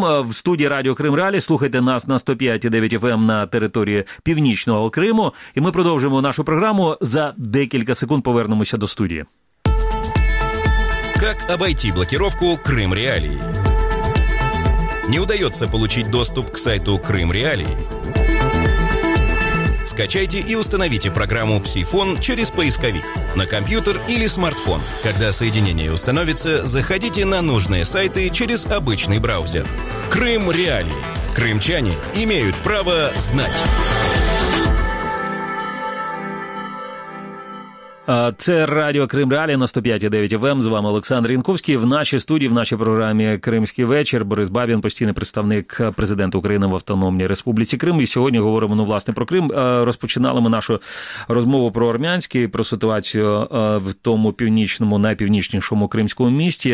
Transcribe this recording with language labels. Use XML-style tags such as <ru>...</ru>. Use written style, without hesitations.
<uk>В студії Радіо Крим Реалі. Слухайте нас на 105.9 FM на території Північного Криму. І ми продовжуємо нашу програму. За декілька секунд повернемося до студії. Як обійти блокировку Крим Реалії? Не удається отримати доступ к сайту Крим Реалії?</uk> <ru>Скачайте и установите программу PsiFon через поисковик на компьютер или смартфон. Когда соединение установится, заходите на нужные сайты через обычный браузер. Крым Реалии. Крымчане имеют право знать.</ru> <uk>Це радіо Крим Реалі на 105.9 FM. З вами Олександр Янковський. В нашій студії, в нашій програмі «Кримський вечір» Борис Бабін, постійний представник президента України в Автономній Республіці Крим. І сьогодні говоримо, ну, власне, про Крим. Розпочинали ми нашу розмову про армянський, про ситуацію в тому північному, найпівнічнішому кримському місті.</uk>